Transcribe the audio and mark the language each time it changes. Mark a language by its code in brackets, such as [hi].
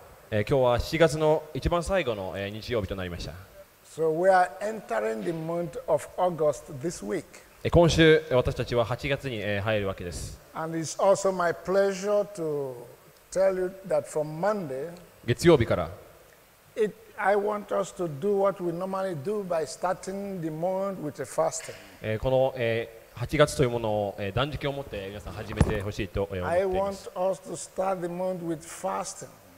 [ja] 今日は7月の一番最後の日曜日となりました。 [en] So we are entering the month of August this week. [ja] 今週私たちは8月に入るわけです。 [en] And it's also my pleasure to tell you that from Monday, [ja] 月曜日から, [en] I want us to do what we normally do by starting the month with a fasting. [ja] この 8月 というものを断食をもって皆さん始めてほしいと思っています。 [en] I want us to start the month with fasting.